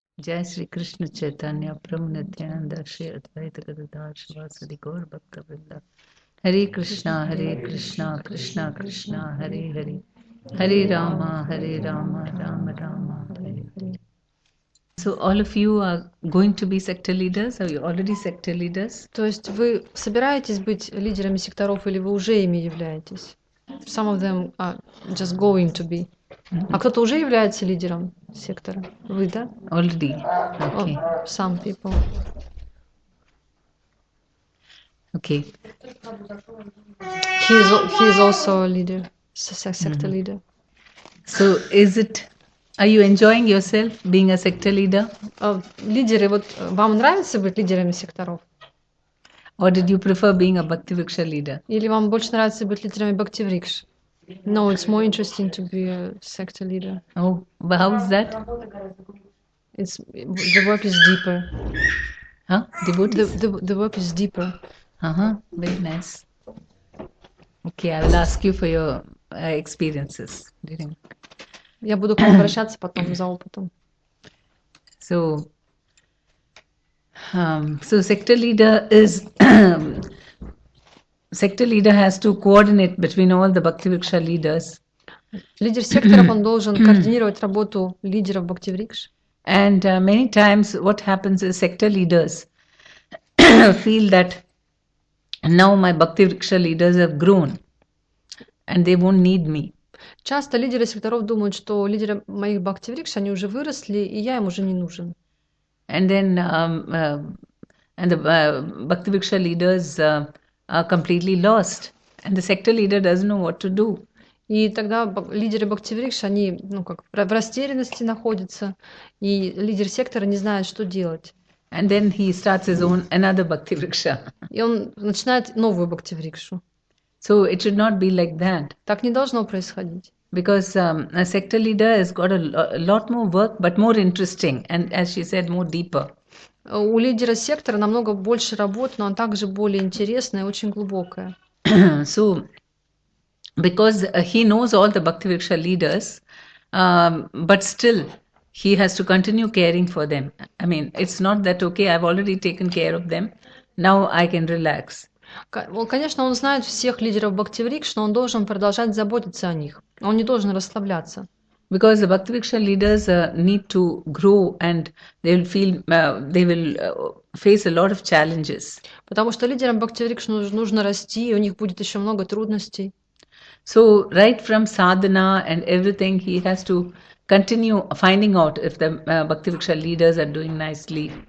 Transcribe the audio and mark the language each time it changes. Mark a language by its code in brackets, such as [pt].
[sa] जय श्री कृष्ण चैतन्य प्रभु नित्यानंद श्री अद्वैत गदाधर वासुदेव गौर भक्त वृंद। हरे कृष्णा कृष्णा कृष्णा हरे हरे, हरे रामा राम रामा Hare Hare. [en] So all of you are going to be sector leaders, are you already sector leaders? [ru] То есть вы собираетесь быть лидерами секторов или вы уже ими являетесь? [en] Some of them are just going to be. [ru] А кто-то уже является лидером сектора? Вы, да? [en] Already. Okay. Oh, some people. Okay. He is also a leader, sector leader. So is it? Are you enjoying yourself being a sector leader? [ru] Лидеры, вот вам нравится быть лидерами секторов? [en] Or did you prefer being a Bhakti Vriksha leader? [ru] Или вам больше нравится быть лидерами Bhakti Vriksha? [en] No, it's more interesting to be a sector leader. Oh, but how is that? It's the work is deeper. Huh? Devotees? The work is deeper. Uh-huh. Very nice. Okay, I will ask you for your experiences. [ru] Я буду к вам обращаться потом за опытом. [en] So, sector leader is sector leader has to coordinate between all the Bhakti Vriksha leaders. [ru] Лидер секторов он должен координировать работу лидеров Bhakti Vriksha. [en] And many times what happens is sector leaders feel that now my Bhakti Vriksha leaders have grown and they won't need me. [ru] Часто лидеры секторов думают, что лидеры моих Bhakti Vriksha, они уже выросли, и я им уже не нужен. [en] And then Bhakti Vriksha leaders are completely lost, and the sector leader doesn't know what to do. [ru] И тогда лидеры Bhakti Vriksha, они, ну как, в растерянности находятся, и лидер сектора не знает, что делать. [en] And then he starts his own another Bhakti Vriksha. [ru] И он начинает новую Bhakti Vriksha. [en] So it should not be like that. [ru] Так не должно происходить. [en] Because a sector leader has got a lot more work, but more interesting, and as she said, more deeper. [ru] У лидера сектора намного больше работ, но он также более интересная и очень глубокая. [en] So, because he knows all the Bhakti Vriksha leaders, but still he has to continue caring for them. I mean, it's not that okay, I've already taken care of them, now I can relax. [ru] Конечно, он знает всех лидеров Bhakti Vriksha, но он должен продолжать заботиться о них. Он не должен расслабляться. [en] Because the Bhakti Vriksha leaders need to grow and they will feel they will face a lot of challenges. [ru] Потому что лидерам Bhakti Vriksha нужно расти, и у них будет еще много трудностей. [en] So right from sadhana and everything, he has to continue finding out if the Bhakti Vriksha leaders are doing nicely.